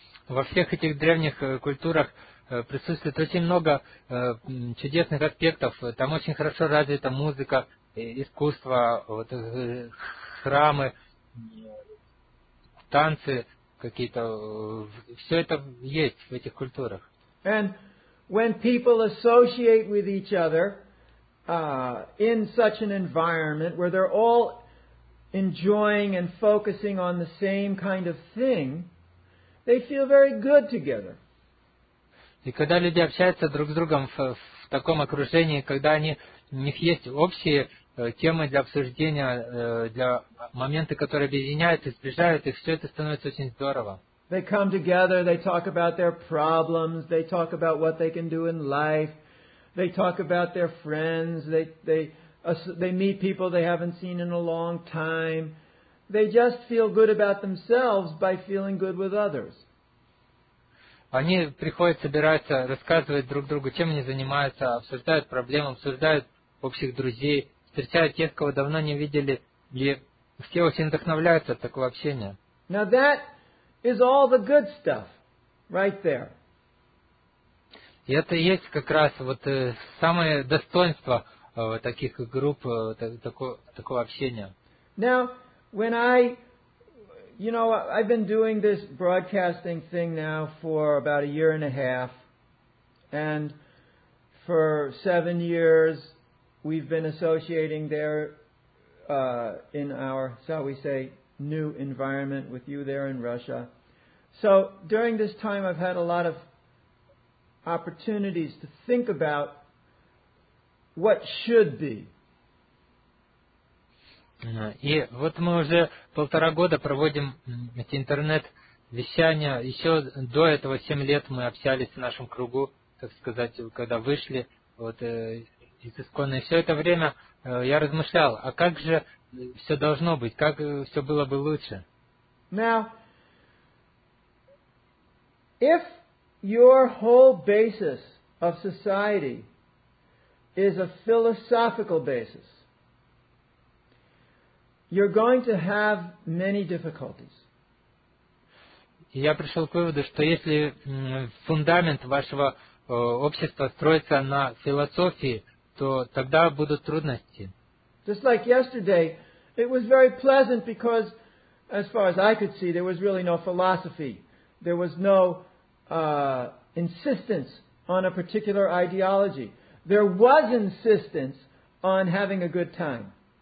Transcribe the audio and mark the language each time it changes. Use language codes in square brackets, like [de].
[ru] во всех этих древних культурах присутствует очень много чудесных аспектов. Там очень хорошо развита музыка, искусство, вот, храмы, танцы какие-то. Все это есть в этих культурах. [en] And when people associate with each other in such an environment where they're all enjoying and focusing on the same kind of thing, they feel very good together. [ru] И когда люди общаются друг с другом в таком окружении, когда они, у них есть общие темы для обсуждения, для моменты, которые объединяют и сближают их, все это становится очень здорово. [en] They come together, they talk about their problems, they talk about what they can do in life, they talk about their friends, they meet people they haven't seen in a long time. They just feel good about themselves by feeling good with others. [ru] Они приходят, собираются, рассказывают друг другу, чем они занимаются, обсуждают проблемы, обсуждают общих друзей, встречают тех, кого давно не видели, и все очень вдохновляются от такого общения. [en] Now that is all the good stuff, right there. [ru] И это и есть как раз вот самое достоинство таких групп, такого общения. [en] Now, when you know, I've been doing this broadcasting thing now for about a year and a half. And for 7 years, we've been associating there in our, shall we say, new environment with you there in Russia. So during this time, I've had a lot of opportunities to think about what should be. [ru] И вот мы уже полтора года проводим эти интернет-вещания. Еще до этого 7 лет мы общались в нашем кругу, так сказать, когда вышли вот из Искона. И все это время я размышлял, а как же все должно быть, как все было бы лучше? [en] Now, if your whole basis of society is a philosophical basis, you're going to have many difficulties. [ru] Я пришел к выводу, что если фундамент вашего общества строится на философии, то тогда будут трудности. [en] Just like yesterday, it was very pleasant because, as far as I could see, there was really no philosophy. There was no insistence on a particular ideology. There was insistence on having a good time.